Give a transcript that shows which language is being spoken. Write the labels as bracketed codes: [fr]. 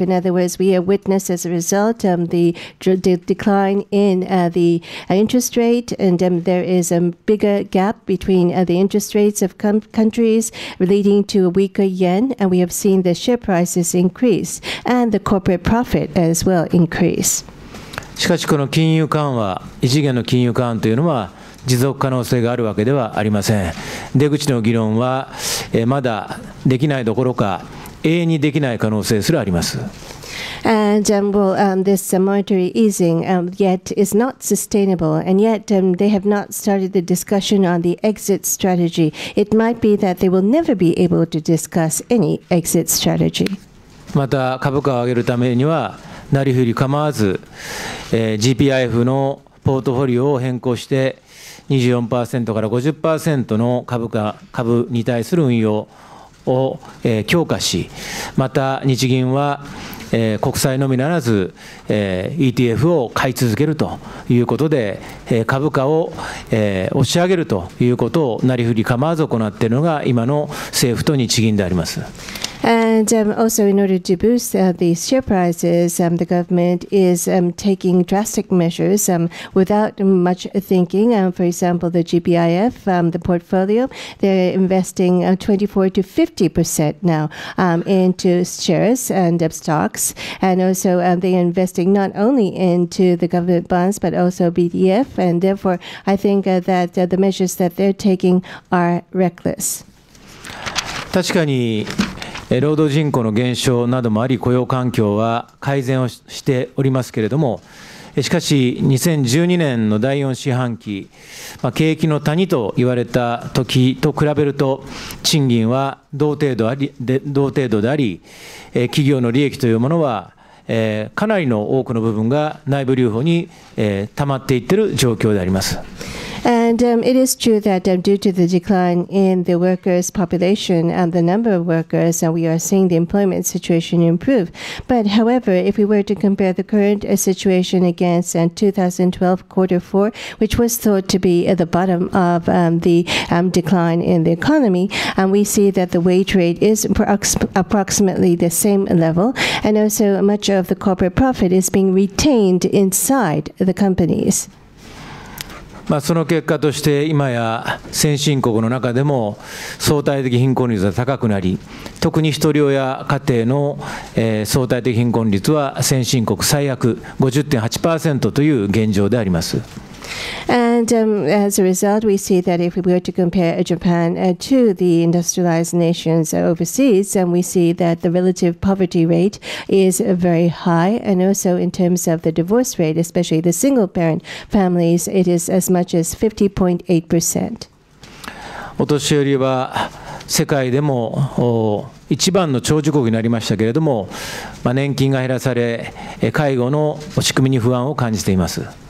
[en] In other words, we have witnessed as a result the decline in the interest rate, and there is a bigger gap between the interest rates of countries leading to a weaker yen, and we have seen the share prices increase and the corporate profit as well increase. [ja] しかしこの金融緩和、異次元の金融緩和というのは持続可能性があるわけではありません。出口の議論は、まだできないどころか永遠にできない可能性すらあります。 [en] And well, this monetary easing yet is not sustainable, and yet they have not started the discussion on the exit strategy. It might be that they will never be able to discuss any exit strategy. [ja] また株価を上げるためにはなりふり構わず、GPIF のポートフォリオを変更して24% から 50% の株に対する運用を、強化し、また日銀は、国債のみならず、ETF を買い続けるということで、株価を、押し上げるということをなりふり構わず行っているのが今の政府と日銀であります。 [en] And also in order to boost the share prices, the government is taking drastic measures without much thinking. For example, the GPIF, the portfolio, they're investing 24% to 50% now into shares and stocks. And also they're investing not only into the government bonds, but also BDF. And therefore, I think that the measures that they're taking are reckless. [ja] 確かに労働人口の減少などもあり雇用環境は改善をしておりますけれども、しかし2012年の第4四半期、景気の谷と言われた時と比べると賃金は同程度であり、企業の利益というものはかなりの多くの部分が内部留保に溜まっていっている状況であります。 [en] And it is true that due to the decline in the workers' population and the number of workers, we are seeing the employment situation improve. But however, if we were to compare the current situation against 2012 quarter four, which was thought to be at the bottom of the decline in the economy, we see that the wage rate is approximately the same level. And also much of the corporate profit is being retained inside the companies. [ja] その結果として今や先進国の中でも相対的貧困率は高くなり、特に一人親家庭の相対的貧困率は先進国最悪 50.8% という現状であります。 [en] And as a result, we see that if we were to compare Japan to the industrialized nations overseas, and we see that the relative poverty rate is very high, and also in terms of the divorce rate, especially the single parent families, it is as much as 50.8%. [ja] お年寄りは世界でも一番の長寿国になりましたけれども、年金が減らされ、介護の仕組みに不安を感じています。